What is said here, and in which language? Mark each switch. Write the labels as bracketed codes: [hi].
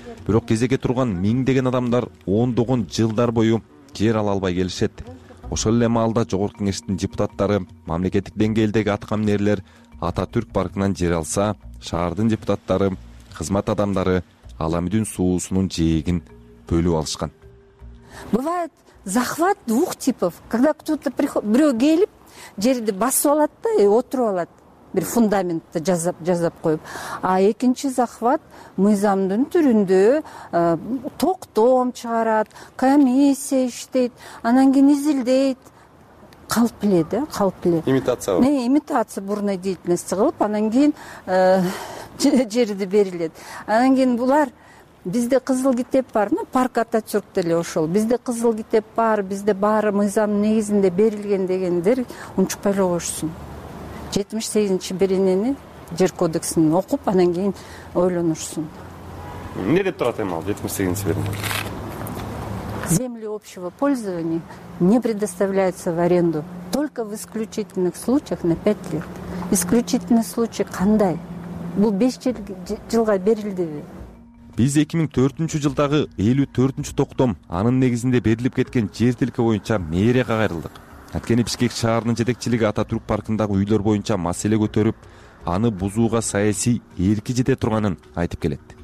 [ky] Бирок кезеге турган миңдеген адамдар ондогон жылдар бою жер ала албай келишет. Ошол эле маалда Жогорку Кеңештин депутаттары мамлекеттик деңгээлдеги аткаминерлер Ататүрк паркынан жер алса, шаардын депутаттары, кызмат адамдары Аламүдүн суусунун жээгин бөлүп алышкан. [ru] Бывает захват двух типов. Когда кто-то приходит, [ky] бирөө келип жерди басып алат да, отуруп алат. Бир фундаментти жазап коюп. А экинчи захват мыйзамдын түрүндө токтом чыгарат, комиссия иштейт, анан кийин изилдейт. Калп эле да, калп эле. [ru] Имитация. Имитация бурной деятельности [ky] кылып, анан кийин жерди берилет. Анан кийин булар бизде кызыл китеп бар, парк Ататүрк деле ошол. Бизде кызыл китеп бар, бизде баары мыйзамдын негизинде берилген дегендер унчукпай эле коюшсун. 78-чи беренени жер кодексин окуп, анан кийин ойлонушсун. Эмне деп турат эми ал 78-чи берене? [ru] Земли общего пользования не предоставляются в аренду только в исключительных случаях на 5 лет. Исключительный случай [ky] кандай? Бул 5 жылга берилдиби? Биз 2004 жылдагы 54 токтом анын негизинде берилип кеткен жер тилке боюнча мэрияга кайрылдык. Анткени Бишкек шаарынын жетекчилиги Ататүрк паркындагы үйлөр боюнча маселе көтөрүп, аны бузууга саясий эрки жете турганын айтып келет.